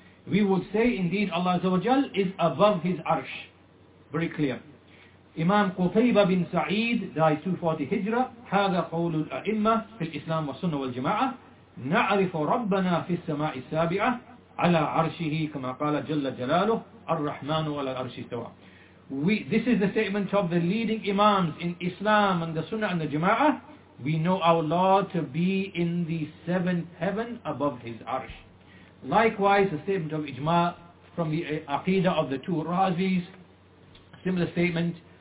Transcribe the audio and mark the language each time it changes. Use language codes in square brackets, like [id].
[en] We would say indeed Allah Azza wa Jal is above his arsh. Very clear. Imam Qutayba bin Sa'id died 240 Hijra. [ar] هذا قول الأئمة في الإسلام والسنة والجماعة. نعرف ربنا في السماء السابعة على عرشه كما قال جل جلاله الرحمن على العرش استوى. [en] This is the statement of the leading imams in Islam and the Sunnah and the Jama'ah. We know our Lord to be in the seventh heaven above his arsh. Likewise, the statement of Ijma from the Aqidah of the two Razis, similar statement.